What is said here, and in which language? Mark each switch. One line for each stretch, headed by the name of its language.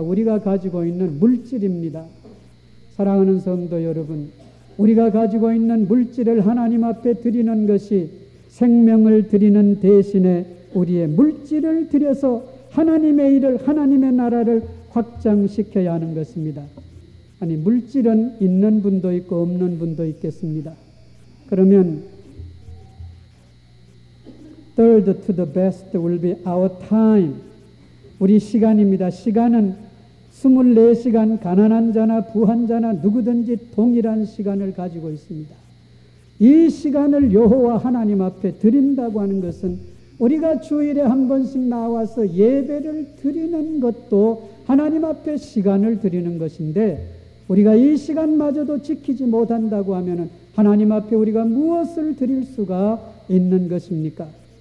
Korean: 우리가 가지고 있는 물질입니다. 사랑하는 성도 여러분, 우리가 가지고 있는 물질을 하나님 앞에 드리는 것이 생명을 드리는 대신에 우리의 물질을 드려서 하나님의 일을, 하나님의 나라를 확장시켜야 하는 것입니다. 아니, 물질은 있는 분도 있고 없는 분도 있겠습니다.
English: 그러면 third to the best will be our time.
Korean: 우리 시간입니다. 시간은 24시간 가난한 자나 부한 자나 누구든지 동일한 시간을 가지고 있습니다. 이 시간을 여호와 하나님 앞에 드린다고 하는 것은 우리가 주일에 한 번씩 나와서 예배를 드리는 것도 하나님 앞에 시간을 드리는 것인데 우리가 이 시간마저도 지키지 못한다고 하면 하나님 앞에 우리가 무엇을 드릴 수가 있는 것입니까?